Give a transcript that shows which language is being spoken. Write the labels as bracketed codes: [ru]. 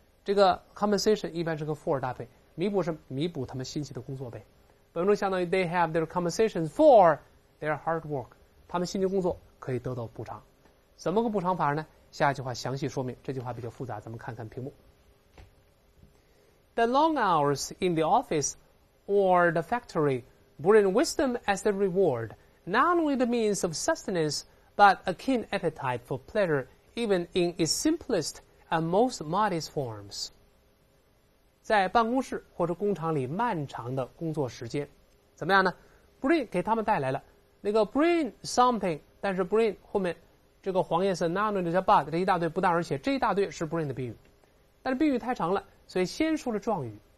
[zh] 这个 compensation 一般是个 for 搭配，弥补是弥补他们辛勤的工作呗。本文中相当于 They have their compensations for their hard work，他们辛勤工作可以得到补偿。怎么个补偿法呢？下一句话详细说明，这句话比较复杂，咱们看看屏幕。 [en] The long hours in the office or the factory bring wisdom as the reward, not only the means of sustenance, but a keen appetite for pleasure, even in its simplest and most modest forms. [zh] 在办公室或者工厂里漫长的工作时间，怎么样呢？ Bring 给他们带来了，那个 bring something，但是 bring 后面这个黄颜色 none 这叫 but， 这一大堆不但而且，这一大堆是 bring 的宾语，但是宾语太长了，所以先说了状语。